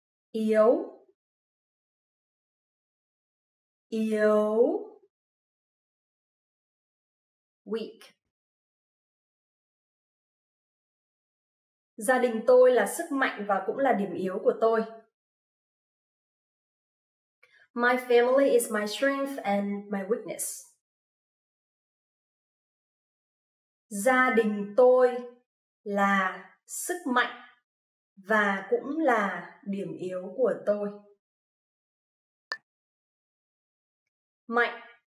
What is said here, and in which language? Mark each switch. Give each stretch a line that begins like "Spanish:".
Vietnamese: Yếu. Yếu.
English: Weak.
Vietnamese: Gia đình tôi là sức mạnh và cũng là điểm yếu của tôi.
English: My family is my strength and my weakness.
Vietnamese: Gia đình tôi là sức mạnh và cũng là điểm yếu của tôi. Mạnh.